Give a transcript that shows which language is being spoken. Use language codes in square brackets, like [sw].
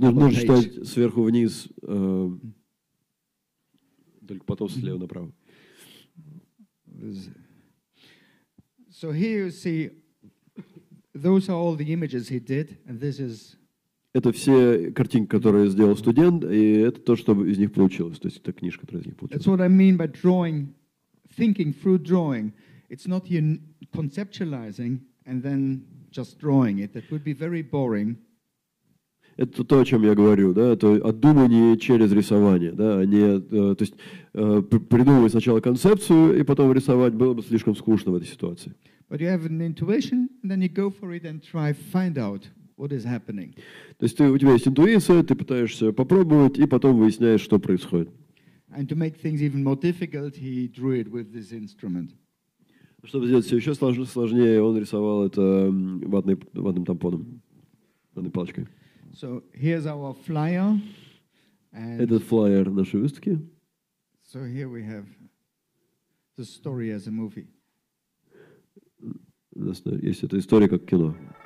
[ru] Нужно читать сверху вниз, только потом слева направо. [en] So here you see, those are all the images he did, and this is. [ru] Это все картинки, которые сделал студент, и это то, что из них получилось. То есть это книжка, которая из них получилась. [en] That's what I mean by drawing, thinking through drawing. It's not you conceptualizing and then just drawing it. That would be very boring. [ru] Это то, о чем я говорю, да, это обдумывание через рисование, да, а не, то есть придумывать сначала концепцию и потом рисовать было бы слишком скучно в этой ситуации. [en] But you have an intuition, and then you go for it and try find out what is happening. [ru] То есть у тебя есть интуиция, ты пытаешься попробовать и потом выясняешь, что происходит. [en] And to make things even more difficult, he drew it with this instrument. [ru] Чтобы сделать все еще сложнее, он рисовал это ватным тампоном, ватной палочкой. [en] So here's our flyer. [ru] Этот флайер нашей выставки. [en] So here we have the story as a movie. [ru] У нас есть эта история как кино.